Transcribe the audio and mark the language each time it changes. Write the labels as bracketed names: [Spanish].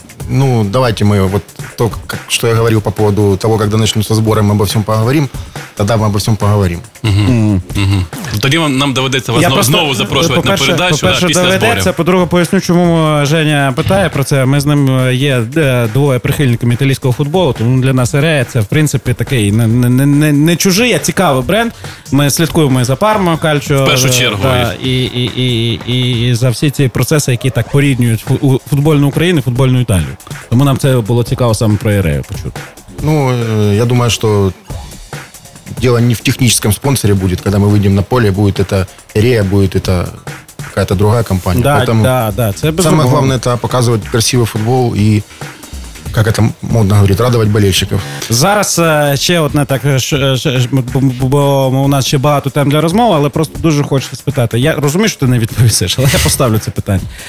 [Russian] Ну, давайте мы вот то, что я говорил по поводу того, когда начнутся сборы, мы обо всем поговорим, тогда мы обо всем поговорим. [Ukrainian] Тоді нам доведеться вас знову запрошувати на передачу, після сборів. По-перше, доведеться. По-друге, поясню, чому Женя питає про це. Ми з ним є двоє прихильників італійського футболу, тому для нас «Ерія» це, в принципі, такий не чужий, а цікавий бренд. Ми слідкуємо і за «Пармою», «Кальчо». В першу чергу. Та, і за всі ці процеси, які так поріднюють футбольну Україну і футбольну Італію. Тому нам це було цікаво саме про «Ерію» почути. Ну, я думаю, що... [Russian] Дело не в техническом спонсоре будет, когда мы выйдем на поле, будет это «Ерія», будет это какая-то другая компания. Да, поэтому да, да. Це самое другого. Главное – это показывать красивый футбол и, как это модно говорить, радовать болельщиков. [Ukrainian] Зараз ще одне так, бо у нас ще багато тем для розмови, але просто дуже хочу спитати. Я розумію, що ти не відповісиш, але я поставлю це питання.